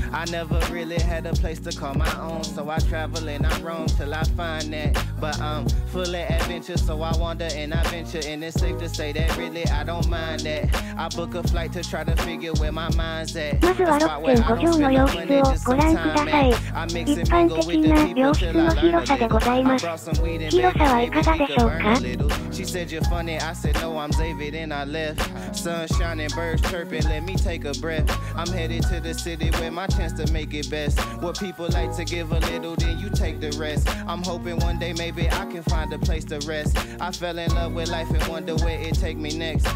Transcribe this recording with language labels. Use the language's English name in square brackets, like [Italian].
[English] never really had a place to call my own, so I travel and I roam till I find that. But I'm full of adventure, so I wander and I venture, and it's safe to say that really I don't mind that. I book a flight to try to figure where my mind's at. [Japanese] まずは 6.5 畳の洋室をご覧ください。一般的な洋室の広さでございます。広さはいかがでしょうか？ [English] She said you're funny, I said no, I'm David and I left. Sunshine and birds chirping, let me take a breath. I'm headed to the city where my chance to make it best. What people like to give a little, then you take the rest. I'm hoping one day maybe I can find a place to rest. I fell in love with life and wonder where it take me next.